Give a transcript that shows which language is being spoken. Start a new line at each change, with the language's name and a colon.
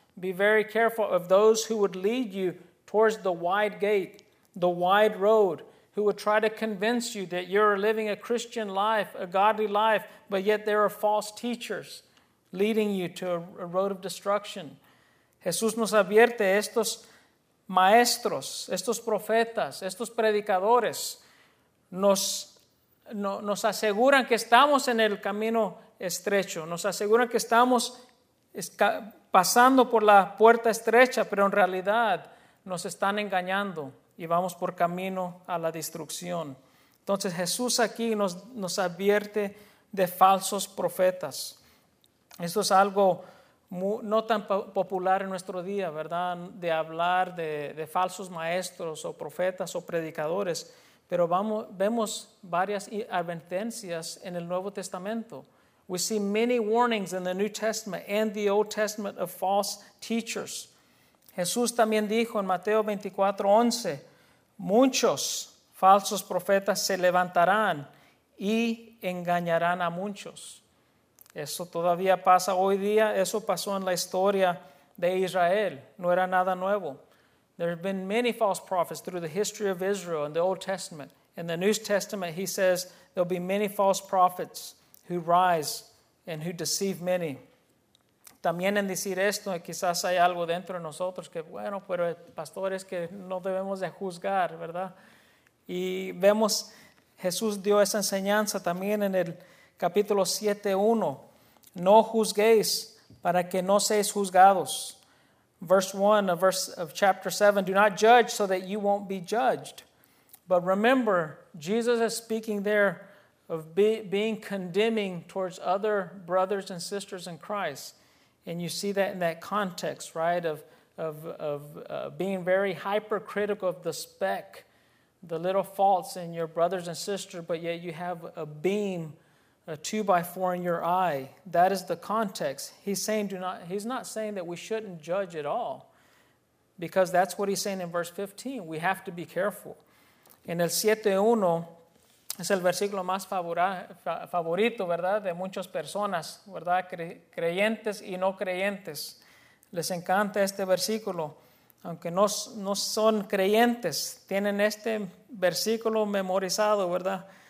English: Be very careful of those who would lead you towards the wide gate, the wide road, who would try to convince you that you're living a Christian life, a godly life, but yet there are false teachers leading you to a road of destruction.
Spanish: Jesús nos advierte estos maestros, estos profetas, estos predicadores nos aseguran que estamos en el camino estrecho, nos aseguran que estamos pasando por la puerta estrecha, pero en realidad nos están engañando y vamos por camino a la destrucción. Entonces Jesús aquí nos advierte de falsos profetas. Esto es algo no tan popular en nuestro día, ¿verdad?, de hablar de falsos maestros o profetas o predicadores, pero vemos varias advertencias en el Nuevo Testamento.
English: We see many warnings in the New Testament and the Old Testament of false teachers.
Spanish: Jesús también dijo en Mateo 24:11, muchos falsos profetas se levantarán y engañarán a muchos. Eso todavía pasa hoy día. Eso pasó en la historia de Israel. No era nada nuevo.
English: There have been many false prophets through the history of Israel in the Old Testament. In the New Testament, he says, there'll be many false prophets who rise and who deceive many.
Spanish: También en decir esto, quizás hay algo dentro de nosotros que, bueno, pero pastores que no debemos de juzgar, ¿verdad? Y vemos, Jesús dio esa enseñanza también en el capítulo 7:1, no juzguéis para que no seáis juzgados.
English: Verse 1 of verse of chapter 7, do not judge so that you won't be judged. But remember, Jesus is speaking there of being condemning towards other brothers and sisters in Christ. And you see that in that context, right, of being very hypercritical of the speck, the little faults in your brothers and sisters, but yet you have a beam a 2x4 in your eye. That is the context. He's saying, do not. He's not saying that we shouldn't judge at all, because that's what he's saying in verse 15. We have to be careful.
Spanish: En el 7:1 es el versículo más favorito, ¿verdad?, de muchas personas, ¿verdad?, creyentes y no creyentes. Les encanta este versículo. Aunque no son creyentes, tienen este versículo memorizado, ¿verdad?